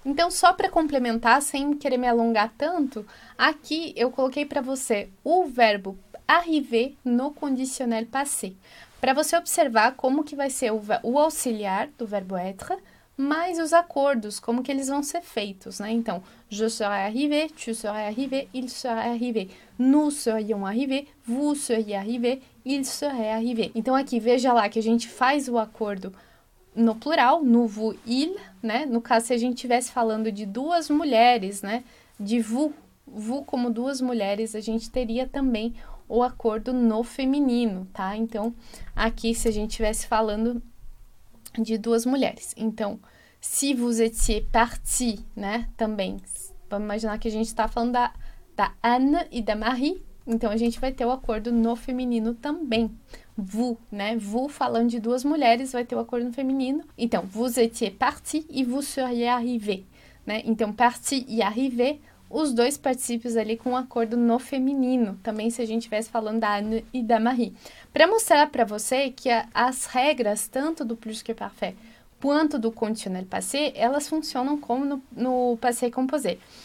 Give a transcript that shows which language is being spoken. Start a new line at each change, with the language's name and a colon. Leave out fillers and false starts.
Portuguese: Então, só para complementar, sem querer me alongar tanto, aqui eu coloquei para você o verbo arriver no conditionnel passé. Para você observar como que vai ser o auxiliar do verbo être, mais os acordos, como que eles vão ser feitos, né?
French: Então, je serai arrivé, tu serais arrivé, il sera arrivé, nous serions arrivés, vous seriez arrivé, il serait arrivé.
Portuguese: Então, aqui, veja lá que a gente faz o acordo no plural, no vous, il, né? No caso, se a gente estivesse falando de duas mulheres, né? De vous como duas mulheres, a gente teria também o acordo no feminino, tá? Então, aqui, se a gente estivesse falando de duas mulheres.
French: Então, si vous étiez parti, né?
Portuguese: Também, vamos imaginar que a gente está falando da Anne e da Marie. Então, a gente vai ter o acordo no feminino também. Vous, né? Vous falando de duas mulheres, vai ter o acordo no feminino.
French: Então, vous étiez parti e vous seriez arrivé, né?
Portuguese: Então, parti e arrivé. Os dois particípios ali com um acordo no feminino, também se a gente estivesse falando da Anne e da Marie. Para mostrar para você que as regras, tanto do plus que parfait quanto do conditionnel passé, elas funcionam como no passé composé.